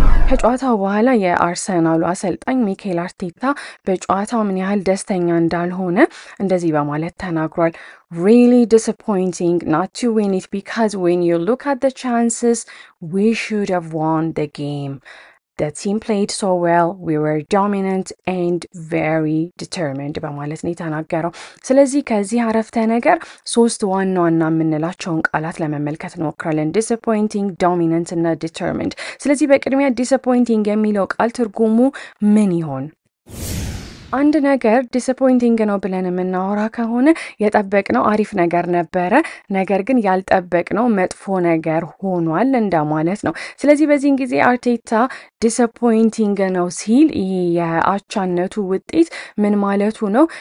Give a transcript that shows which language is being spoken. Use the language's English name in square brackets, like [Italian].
[Amharic] ከጨዋታው በኋላ የአርሰናሉ አሰልጣኝ ሚኬል አርቴታ በጨዋታው ምን ያህል ደስተኛ እንዳልሆነ እንደዚህ በማለት ተናግሯል። [English] Really disappointing not to win it because when you look at the chances, we should have won the game. The team played so well, we were dominant and very determined. [Amharic] በማለት ነው የተናገረው። ስለዚህ ከዚህ አረፍተ ነገር ሶስት ዋና ዋና የምንላቸውን ቃላት ለመመልከት እንሞክራለን። disappointing, dominant እና determined። ስለዚህ በቅድሚያ disappointing የሚለው ቃል ትርጉሙ ምን ይሆን? አንድ ነገር disappointing ነው ብለን የምናወራ ከሆነ የጠበቅነው አሪፍ ነገር ነበረ፣ ነገር ግን ያልጠበቅነው መጥፎ ነገር ሆኗል እንደማለት ነው። ስለዚህ በዚህን ጊዜ አርቴታ disappointing ነው ሲል ይሄ የአቻነቱ ውጤት ምን ማለቱ ነው?